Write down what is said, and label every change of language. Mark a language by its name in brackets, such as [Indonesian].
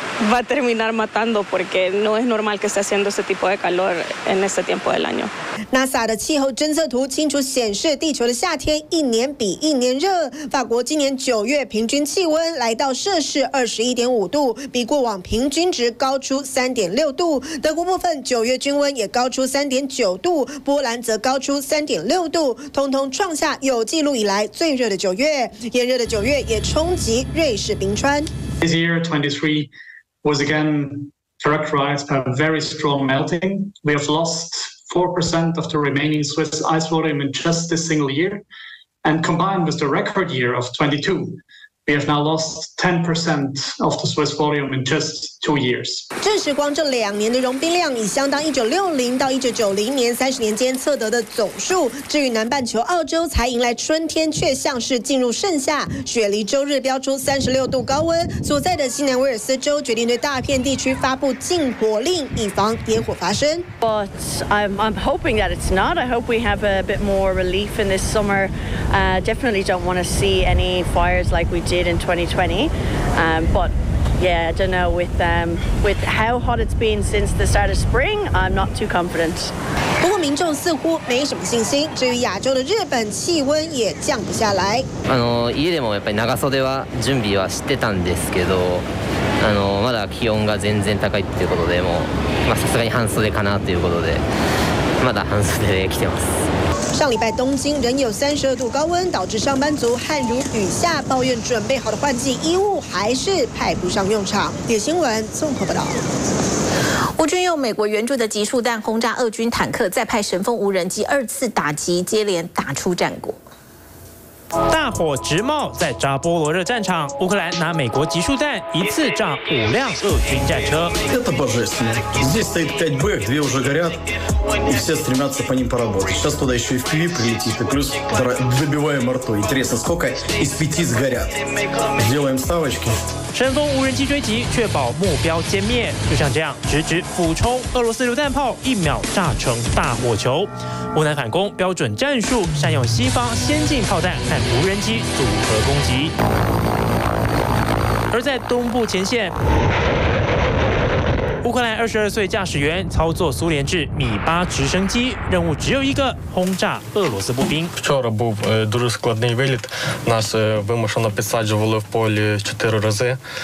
[Spanish] Va a terminar matando porque no es normal que esté haciendo ese tipo de calor en este tiempo del año. [Chinese] NASA 的气候侦测图清楚显示，地球的夏天一年比一年热。法国今年九月平均气温来到摄氏21.5度，比过往平均值高出3.6度。德国部分九月均温也高出3.9度，波兰则高出3.6度，通通创下有记录以来最热的九月。炎热的九月也冲击瑞士冰川。 [English] This year 23 was again characterized by very strong melting. We have lost 4% of the remaining Swiss ice volume in just this single year. And combined with the record year of 22, we have now lost 10% of the Swiss volume in just 2 years. [Chinese] 这时光这两年的融冰量已相当1960到1990年30年间测得的总数。至于南半球澳洲才迎来春天，却像是进入盛夏。雪梨周日飙出36度高温，所在的新南威尔斯州决定对大片地区发布禁火令，以防野火发生。 [English] But I'm hoping that it's not. I hope we have a bit more relief in this summer. Definitely don't want to see any fires like we did in 2020. But yeah, I don't know with how hot it's been since the start of spring. I'm not too confident. [Chinese] 不过民众似乎没什么信心。至于亚洲的日本，气温也降不下来。 [Japanese] 家でもやっぱり長袖は準備はしてたんですけど。まだ気温が全然高いっていうことでもまあさすがに半袖かなということでまだ半袖で来てます。 [Chinese] 上礼拜东京仍有32度高温，导致上班族汗如雨下，抱怨准备好的换季衣物还是派不上用场。野新闻综合报道。乌军用美国援助的集束弹轰炸俄军坦克，再派神风无人机二次打击，接连打出战果。大火直冒，在扎波罗热战场，乌克兰拿美国集束弹一次炸五辆俄军战车。 [Russian] Это божественно. Здесь стоит 5 Б, 2 уже горят, и все стремятся по ним поработать. Сейчас туда еще и в КВИ прилетит, и плюс добиваем арту. Интересно, сколько из 5 сгорят? Сделаем ставочки. [Chinese] 神风无人机追击，确保目标歼灭。就像这样，直直俯冲，俄罗斯榴弹炮一秒炸成大火球。乌南反攻标准战术，善用西方先进炮弹和无人机组合攻击。而在东部前线，乌克兰22岁驾驶员操作苏联制米8直升机，任务只有一个，轰炸俄罗斯步兵。 [Ukrainian] Вчора був дуже складний виліт. Нас вимушено підсаджували в полі 4 рази.